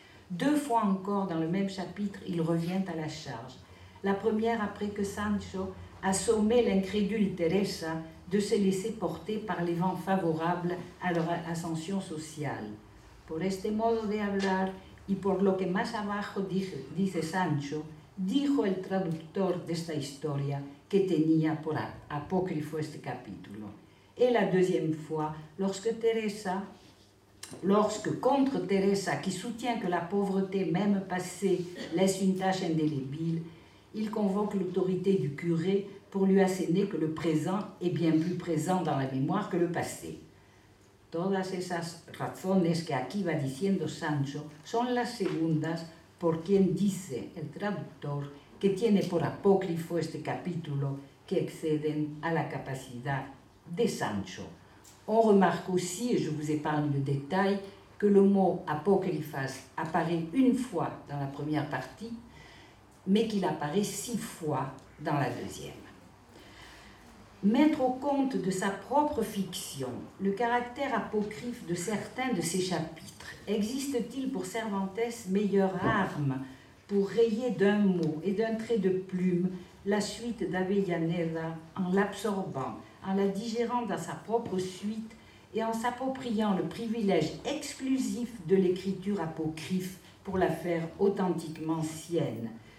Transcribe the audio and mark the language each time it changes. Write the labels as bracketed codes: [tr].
[fr] Deux fois encore, dans le même chapitre, il revient à la charge. La première après que Sancho a sommé l'incrédule Teresa de se laisser porter par les vents favorables à leur ascension sociale. [es] Por este modo de hablar, y por lo que más abajo dice Sancho, dijo el traductor de esta historia que tenía por apócrifo este capítulo. [fr] Et la deuxième fois, lorsque contre Teresa, qui soutient que la pauvreté, même passée, laisse une tache indélébile, il convoque l'autorité du curé pour lui asséner que le présent est bien plus présent dans la mémoire que le passé. [es] Todas esas razones que aquí va diciendo Sancho son las segundas por quien dice el traductor que tiene por apócrifo este capítulo que exceden a la capacidad de Sancho. [fr] On remarque aussi, et je vous épargne le détail, que le mot apocryphas apparaît une fois dans la première partie, mais qu'il apparaît six fois dans la deuxième. Mettre au compte de sa propre fiction le caractère apocryphe de certains de ses chapitres, existe-t-il pour Cervantes meilleure arme pour rayer d'un mot et d'un trait de plume la suite d'Avellaneda en l'absorbant, en la digérant dans sa propre suite et en s'appropriant le privilège exclusif de l'écriture apocryphe pour la faire authentiquement sienne?